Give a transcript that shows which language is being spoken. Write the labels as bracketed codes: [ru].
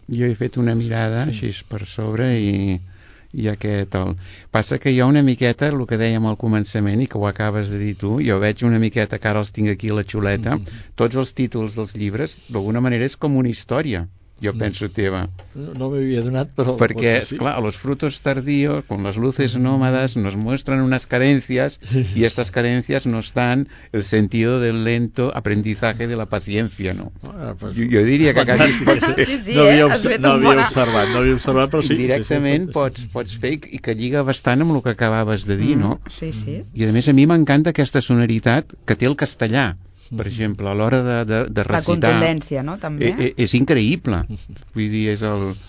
[ca] Jo he fet una mirada, sí, així per sobre, i aquest, el passa que jo una miqueta el que dèiem al començament i que ho acabes de dir tu, jo veig una miqueta que ara els tinc aquí a la xuleta, mm-hmm, tots els títols dels llibres d'alguna manera és com una història, jo penso, teva. No m'hi havia donat, però... [es] Perquè, esclar, los frutos tardíos, con las luces nómadas, nos muestran unas carencias, y estas carencias no están el sentido del lento aprendizaje de la paciencia, ¿no? [ca] Jo diria que quasi... No havia observat, però sí. Directament pots fer, i que lliga bastant amb el que acabaves de dir, no? Sí. I, a més, a mi m'encanta aquesta sonoritat que té el castellà. Per exemple, a l'hora de recitar... La contundència, no?, també. És increïble. Vull dir, és el...